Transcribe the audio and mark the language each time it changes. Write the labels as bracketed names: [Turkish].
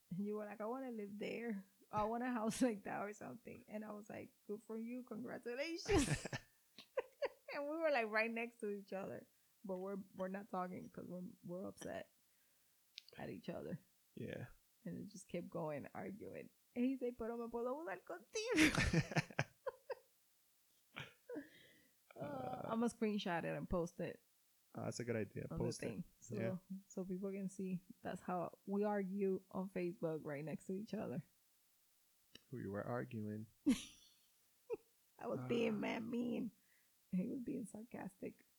[English] And you were like, I want to live there. I want a house like that or something. And I was like, good for you. Congratulations. And we were like right next to each other. But we're not talking because we're upset at each other. Yeah. And it just kept going, arguing. And he said, [Spanish] pero me puedo mudar contigo. [English] I'm going to screenshot it and post it. That's a good idea. Post it. So people can see that's how we argue on Facebook right next to each other. We were arguing. I was being mad mean. He was being sarcastic.